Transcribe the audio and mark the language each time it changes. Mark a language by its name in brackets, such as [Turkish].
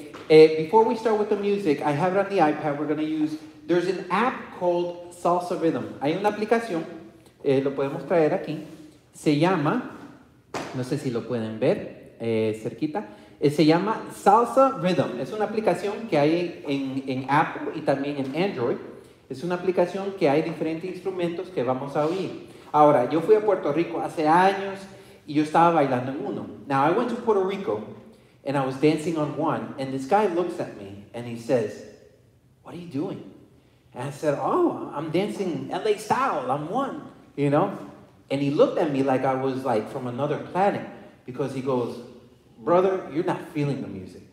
[English] Before we start with the music, I have it on the iPad, we're going to use, there's an app called Salsa Rhythm. [Spanish] Hay una aplicación, lo podemos traer aquí, se llama, no sé si lo pueden ver cerquita, se llama Salsa Rhythm. Es una aplicación que hay en Apple y también en Android. Es una aplicación que hay diferentes instrumentos que vamos a oír. Ahora, yo fui a Puerto Rico hace años y yo estaba bailando en uno. [English] Now, I went to Puerto Rico and I was dancing on one and this guy looks at me and he says, what are you doing? And I said, oh, I'm dancing LA style, I'm one, you know? And he looked at me like I was like from another planet because he goes, brother, you're not feeling the music.